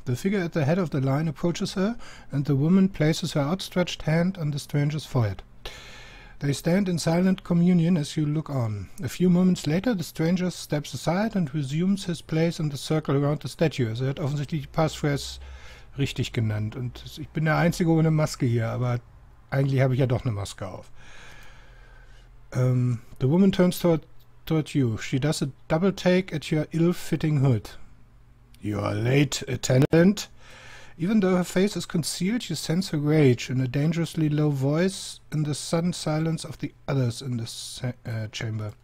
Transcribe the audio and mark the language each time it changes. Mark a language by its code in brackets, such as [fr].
[en] The figure at the head of the line approaches her and the woman places her outstretched hand on the stranger's forehead. They stand in silent communion as you look on. A few moments later, the stranger steps aside and resumes his place in the circle around the statue. [de] Also er hat offensichtlich die Passphrase richtig genannt. Und ich bin der Einzige ohne Maske hier, aber eigentlich habe ich ja doch eine Maske auf. [en] The woman turns toward you. She does a double take at your ill-fitting hood. You are late, attendant. Even though her face is concealed, you sense her rage in a dangerously low voice in the sudden silence of the others in the chamber.